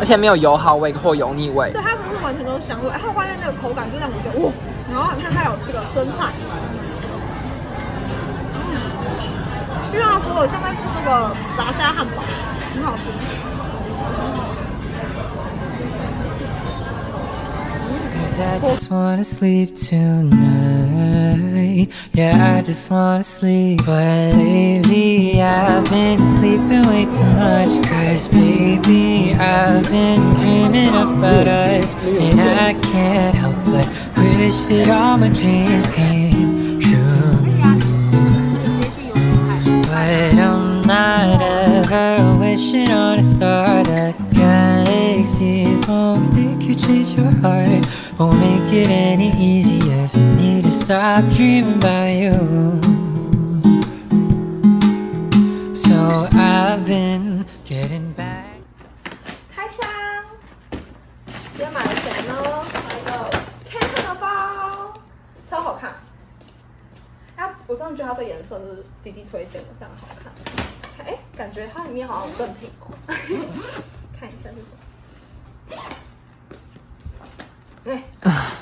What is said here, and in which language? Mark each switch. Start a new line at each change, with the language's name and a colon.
Chinese: 而且没有油耗味或油腻味。对，它不是完全都是香味，它外面那个口感就让我觉得哇，然后好像它有这个生菜。就像他说的，像在吃那个炸虾汉堡，很好吃。
English: I just wanna sleep tonight. Yeah, I just wanna sleep. But lately I've been sleeping way too much. Cause baby I've been dreaming about us. And I can't help but wish that all my dreams came true. But I'm not ever wishing on a star. The galaxies won't make you change your heart. Won't make it any easier for me to stop dreaming about you. So I've been getting back.
Chinese: 开箱，今天买了什么呢？买一个 Kanken 的包，超好看。哎，我真的觉得它的颜色是弟弟推荐的，非常好看。哎，感觉它里面好像有赠品哦。看一下是什么。